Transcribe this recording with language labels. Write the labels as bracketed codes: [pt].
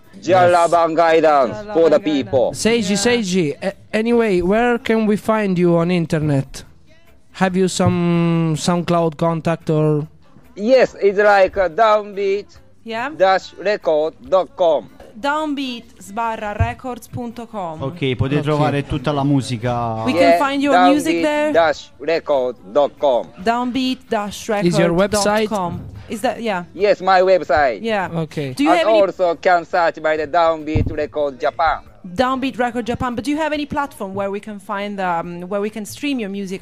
[en] Just love and guidance for the people. Seiji, anyway, where can we find you on internet? Have you some SoundCloud contact or? Yes, it's like downbeat-record.com. Downbeat-records.com. [it] Ok, potete trovare tutta la musica. [en] We can find your music there. Downbeat-record.com. Downbeat-record.com. Is your website? Is that Yes, my website. Yeah. Okay. Do you and have any... also can search by the Downbeat Record Japan. Downbeat Record Japan. But do you have any platform where we can find where we can stream your music?